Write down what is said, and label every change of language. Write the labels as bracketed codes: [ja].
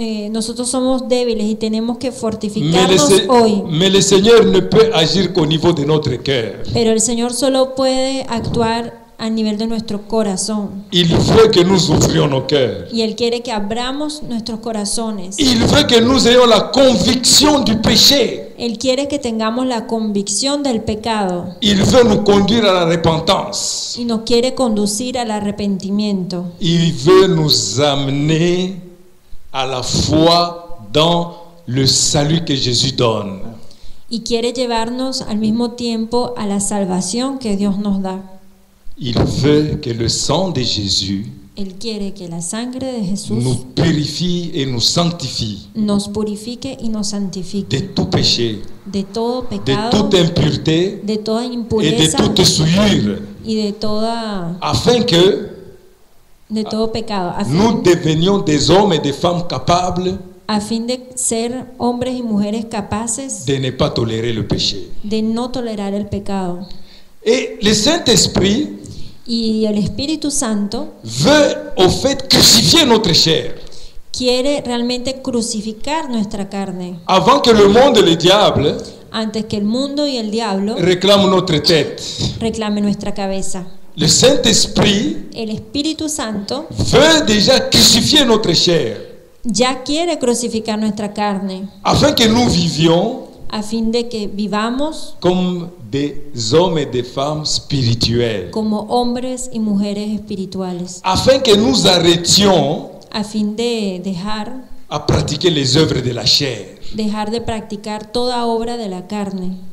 [es] Nosotros somos débiles y tenemos que fortificarnos hoy. [fr] Mais le Seigneur ne peut agir qu'au niveau de notre cœur. [es] Pero el Señor solo puede actuar a nivel de nuestro corazón. [fr] Il veut que nous ouvrions nos cœurs. [es] Y él quiere que abramos nuestros corazones. [fr] Il veut que nous ayons la conviction du péché. [es] Él quiere que tengamos la convicción del pecado. [fr] Il veut nous conduire à la repentance. [es] Y nos quiere conducir al arrepentimiento. [fr] Il veut nous amener à la foi dans le salut que Jésus donne. [es] Y quiere llevarnos al mismo tiempo a la salvación que Dios nos da. [fr] Il veut que le sang de Jésus [es] Él quiere que la sangre de Jesús [fr] nous purifie et nous sanctifie [es] nos purifique y nos santifique [fr] de tout péché, [es] de todo pecado, [fr] de toute impureté, [es] de toda impureza, [fr] et de toute souillure, [es] y de toda [fr] afin que [es] de todo pecado, [fr] afin, nous devenions des hommes et des femmes capables [es] a fin de ser hombres y mujeres capaces [fr] de ne pas tolérer le péché [es] de no tolerar el pecado [fr] et le Saint-Esprit [es] y el Espíritu Santo [fr] veut au fait crucifier notre chair [es] quiere realmente crucificar nuestra carne [fr] avant que le monde et le diable [es] antes que el mundo y el diablo [fr] reclame notre tête [es] reclame nuestra cabeza [fr] Le Saint-Esprit [es] el Espíritu Santo [fr] veut déjà crucifier notre chair [es] ya quiere crucificar nuestra carne [fr] afin que nous vivions [es] a fin de que vivamos [fr] comme des hommes et des femmes spirituels [es] como hombres y mujeres espirituales [fr] afin que nous arrêtions [es] a fin de dejar [fr] à pratiquer les œuvres de la chair [es] dejar de practicar toda obra de la carne